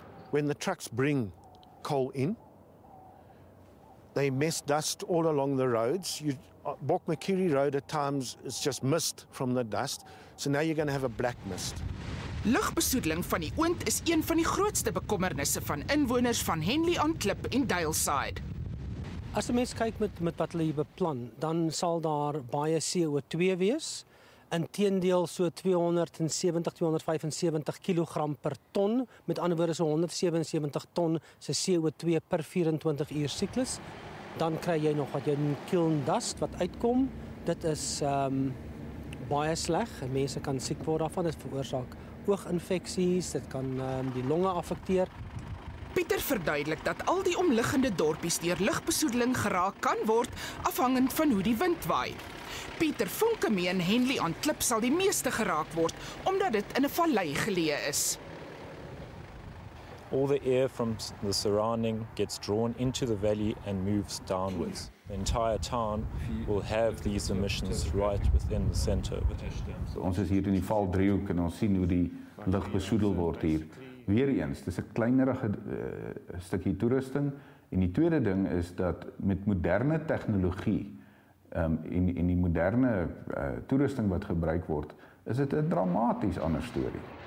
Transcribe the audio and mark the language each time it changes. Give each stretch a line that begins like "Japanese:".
English: When the trucks bring coal in, they mess dust all along the roads. Bokmakiri Road at times is just mist from the dust. So now you're going to have a black mist.
Afrikaans: Lugbesoedeling van die oond is een van die grootste bekommernisse van inwoners van Henley on Klip en Daleside. As die mens kyk met wat hulle hier beplan, dan sal daar baie CO2 wees. Inteendeel so 270-275 kg per ton, met ander woorde so 177 ton se CO2 per 24 uur siklus. Dan kry jy nog wat jy noem kiln dust wat uitkom. Dit is baie sleg. Mense kan siek word daarvan. Dit veroorsaak ooginfeksies, dit kan die longe affekteer. Pieter verduidelik dat al die omliggende dorpies deur lugbesoedeling geraak kan word afhangend van hoe die wind waai. Pieter Funke meen Henley on Klip sal die meeste geraak word omdat dit in 'n vallei geleë is.
English: All the air from the surrounding gets drawn into the valley and moves downwards. The entire town will have these emissions right within the center of it.
Afrikaans: Ons is hier in die val driehoek en ons sien hoe die lug besoedel word hier. Weereens, dis 'n kleinerige stukkie toerusting en die tweede ding is dat met moderne tegnologie in die moderne toerusting wat gebruik word, is dit 'n dramaties ander storie.